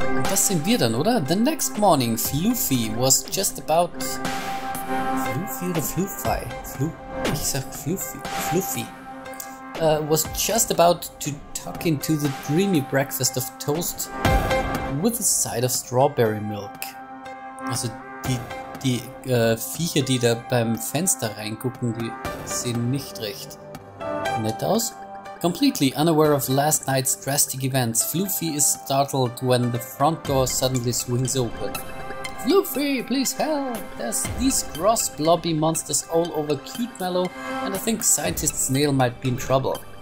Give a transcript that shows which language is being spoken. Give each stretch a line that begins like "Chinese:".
German: Was sind wir dann, oder?
English: The next morning, Fluffy was just about...
German: Fluffy oder Fluffy? Ich sag Fluffy. Fluffy.
English: Was just about to tuck into the dreamy breakfast of toast with a side of strawberry milk.
German: Also die Viecher, die da beim Fenster reingucken, die sehen nicht recht nett aus.
English: Completely unaware of last night's drastic events, Fluffy is startled when the front door suddenly swings open. Fluffy, please help! There's these gross blobby monsters all over Cute Mellow, and I think Scientist Snail might be in trouble.